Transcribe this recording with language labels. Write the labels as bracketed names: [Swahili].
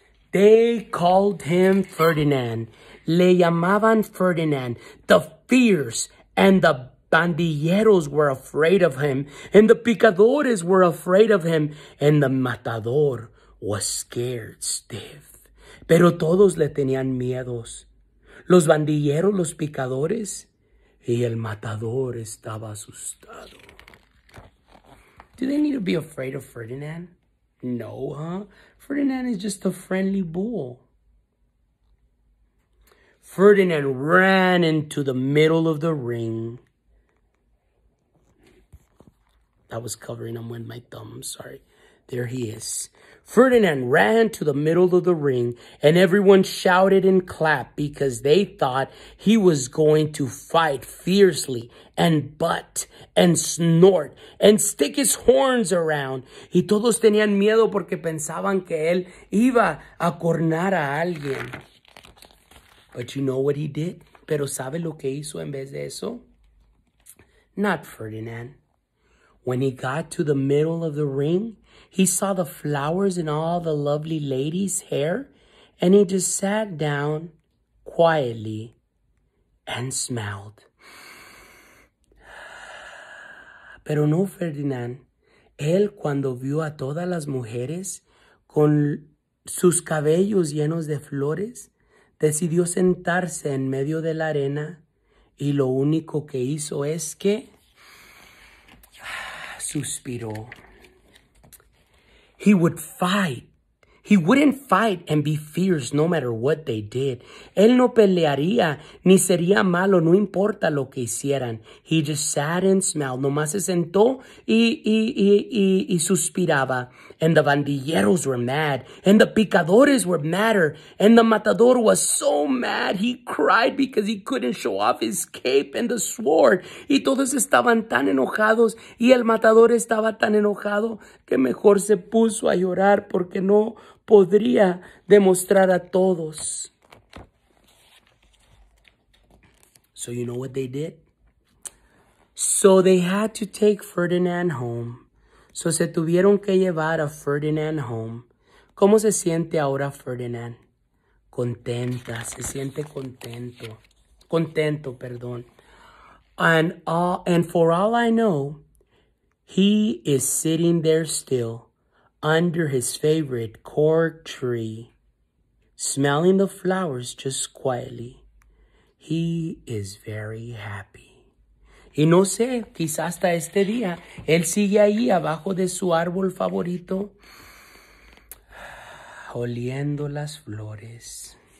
[English] They called him Ferdinand. [Spanish] Le llamaban [English] Ferdinand, the fierce, and the bandilleros were afraid of him, and the picadores were afraid of him, and the matador was scared stiff. [Spanish] Pero todos le tenían miedos. Los bandilleros, los picadores, y el matador estaba asustado. [English] Do they need to be afraid of Ferdinand? No, huh? Ferdinand is just a friendly bull. Ferdinand ran into the middle of the ring. That was covering him with my thumb, sorry. There he is. Ferdinand ran to the middle of the ring, and everyone shouted and clapped because they thought he was going to fight fiercely and butt and snort and stick his horns around. [Spanish] Y todos tenían miedo porque pensaban que él iba a cornar a alguien. [English] But you know what he did? [Spanish] Pero ¿sabe lo que hizo en vez de eso? [English] Not Ferdinand. When he got to the middle of the ring, he saw the flowers in all the lovely ladies' hair, and he just sat down quietly and smiled. [Spanish] Pero no, Ferdinand. Él, cuando vio a todas las mujeres con sus cabellos llenos de flores, decidió sentarse en medio de la arena, y lo único que hizo es que suspiró. [English] He would fight. He wouldn't fight and be fierce no matter what they did. [Spanish] Él no pelearía ni sería malo no importa lo que hicieran. [English] He just sat and smiled. [Spanish] Nomás se sentó y suspiraba. [English] And the bandilleros were mad. And the picadores were madder. And the matador was so mad he cried because he couldn't show off his cape and the sword. [Spanish] Y todos estaban tan enojados y el matador estaba tan enojado que mejor se puso a llorar porque no podría demostrar a todos. [English] So you know what they did? So they had to take Ferdinand home. So [Spanish] se tuvieron que llevar a [English] Ferdinand home. [Spanish] ¿Cómo se siente ahora Ferdinand? Contenta. Se siente contento. Contento, perdón. [English] And for all I know, he is sitting there still, under his favorite cork tree, smelling the flowers just quietly. He is very happy. [Spanish] Y no sé, quizás hasta este día, él sigue ahí abajo de su árbol favorito, oliendo las flores.